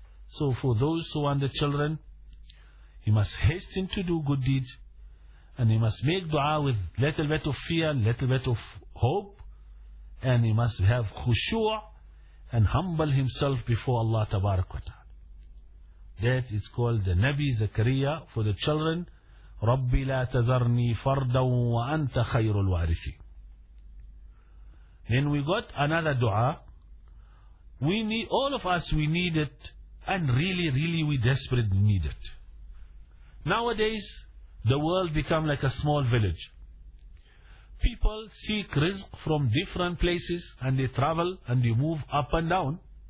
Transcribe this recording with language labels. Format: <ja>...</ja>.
<en>So for those who want the children, he must hasten to do good deeds, and he must make dua with little bit of fear, little bit of hope, and he must have khushu' and humble himself before Allah tabarak wa ta'ala. That is called the Nabi Zakariya for the children.</en> <ar>رَبِّ لَا تَذَرْنِي فَرْدًا وَأَنْتَ خَيْرُ الْوَارِثِينَ</ar> <en>Then we got another dua. We need, all of us, we need it, and really, really, we desperately need it. Nowadays, the world become like a small village. People seek rizq from different places and they travel and they move up and down.</en>